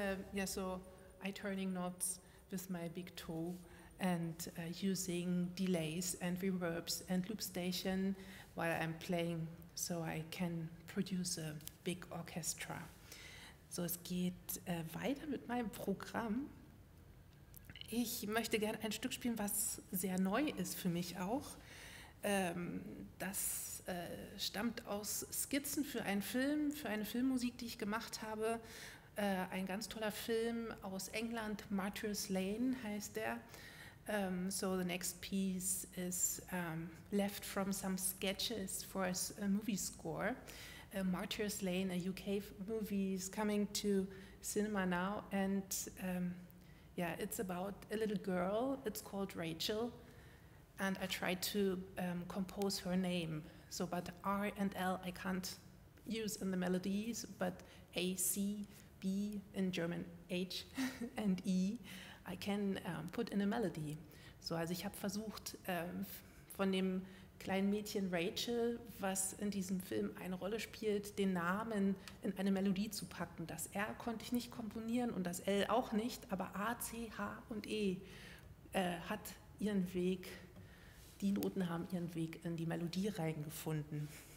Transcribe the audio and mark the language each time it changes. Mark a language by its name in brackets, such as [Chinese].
[English] Yeah, so I turning knots with my big toe and using delays and reverbs and loop station while I'm playing, so I can produce a big orchestra. [German] So es geht weiter mit meinem Programm. Ich möchte gerne ein Stück spielen, was sehr neu ist für mich auch. Das stammt aus Skizzen für einen Film, für eine Filmmusik, die ich gemacht habe. Ein ganz toller Film aus England, Martyrs Lane heißt der. [English] So the next piece is left from some sketches for a movie score. Martyrs Lane, a UK movie, is coming to cinema now. And it's about a little girl. It's called Rachel. And I tried to compose her name. So, but R and L I can't use in the melodies, but A, C, B in German, H and E, I can put in a melody. [German] So, also ich habe versucht, von dem kleinen Mädchen Rachel, was in diesem Film eine Rolle spielt, den Namen in eine Melodie zu packen. Das R konnte ich nicht komponieren und das L auch nicht, aber A, C, H und E hat ihren Weg, die Noten haben ihren Weg in die Melodie reingefunden.